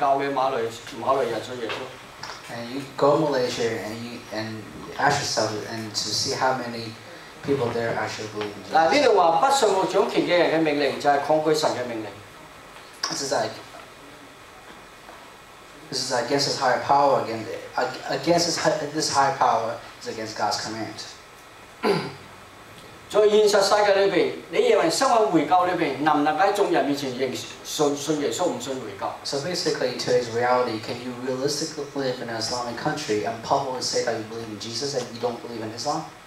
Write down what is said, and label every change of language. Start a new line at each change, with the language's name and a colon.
Chinese: 你去馬來亞那裡看看,有多少回教的馬來人信主耶穌。
English: And you go to Malaysia and ask yourself and to see how many people there actually believe in Jesus.
Chinese: 這裡說,不信服掌權的人的命令就是抗拒神的命令。
English: This is against his higher power, again, against this higher power is against God's command.
Chinese: 在現實世界裡面,你以為生活回教裡面,能不能在眾人面前信耶穌,不信回教?
English: So basically, in today's reality, can you realistically live in an Islamic country and publicly say that you believe in Jesus and you don't believe in Islam?